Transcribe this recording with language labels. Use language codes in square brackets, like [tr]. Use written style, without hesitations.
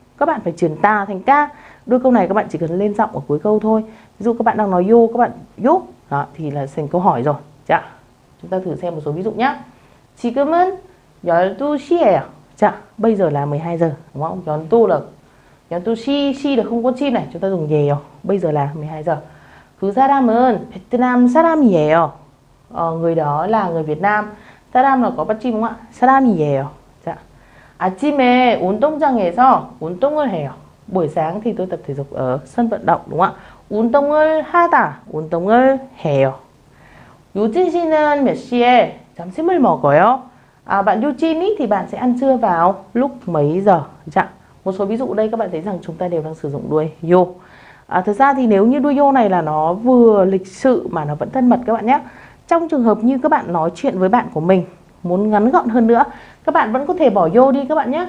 [vi] Các bạn phải chuyển ta thành ka. Đuôi câu này các bạn chỉ cần lên giọng ở cuối câu thôi. Ví dụ các bạn đang nói yo, các bạn yo. Đó, thì là thành câu hỏi rồi. Chạ. Chúng ta thử xem một số ví dụ nhá. [ko] 지금은 12시예요. [vi] Chà, bây giờ là 12 giờ, đúng không? Nhón tu là nhón tu si là không có chim này, chúng ta dùng về rồi. Bây giờ là 12 giờ. [ko] 그 사람은 베트남 사람이에요. [vi] Người đó là người Việt Nam. 사람 là có bắt chim đúng không ạ? [ko] 사람이에요. Chà. 아침에 운동장에서 운동을 해요. [vi] Buổi sáng thì tôi tập thể dục ở sân vận động đúng không ạ? [ko] 운동을 하다. 운동을 해요. 유진 씨는 몇 시에 점심을 먹어요? [vi] Bạn Yujin ý, thì bạn sẽ ăn trưa vào lúc mấy giờ? Dạ. Một số ví dụ đây các bạn thấy rằng chúng ta đều đang sử dụng đuôi yo. Thật ra thì nếu như đuôi yo này là nó vừa lịch sự mà nó vẫn thân mật các bạn nhé. Trong trường hợp như các bạn nói chuyện với bạn của mình muốn ngắn gọn hơn nữa, các bạn vẫn có thể bỏ yo đi các bạn nhé.